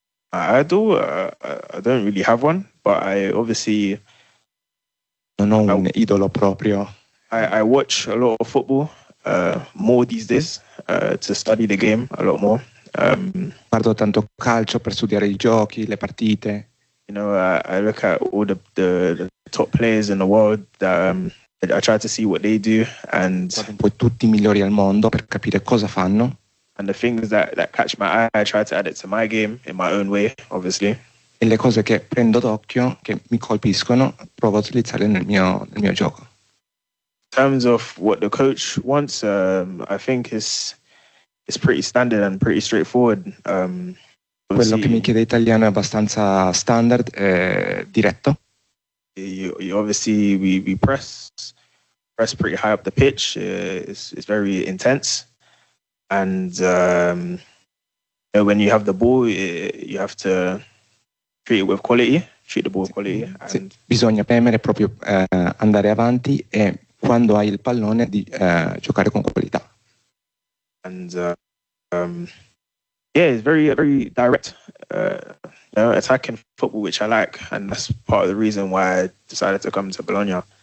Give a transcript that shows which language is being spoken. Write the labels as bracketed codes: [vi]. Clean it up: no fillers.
[en] I don't really have one, but I obviously [it] non ho un idolo proprio. [en] I watch a lot of football more these days to study the game a lot more. [it] Guardo tanto calcio per studiare i giochi, le partite. [en] You know, I look at all the top players in the world. I try to see what they do and [it] guardo un po' tutti i migliori al mondo per capire cosa fanno. [en] And the things that catch my eye, I try to add it to my game in my own way, obviously. [it] E le cose che prendo d'occhio, che mi colpiscono, provo a utilizzarle nel mio gioco. [en] In terms of what the coach wants, I think it's pretty standard and pretty straightforward. [it] Quello che mi chiede Italiano è abbastanza standard e diretto. [en] You obviously we press pretty high up the pitch. It's very intense. And you know, when you have the ball, you have to treat it with quality. Treat the ball with quality. [it] Sì, bisogna premere proprio andare avanti e quando hai il pallone di giocare con qualità. [en] And it's very very direct. You know, attacking football, which I like, and that's part of the reason why I decided to come to Bologna.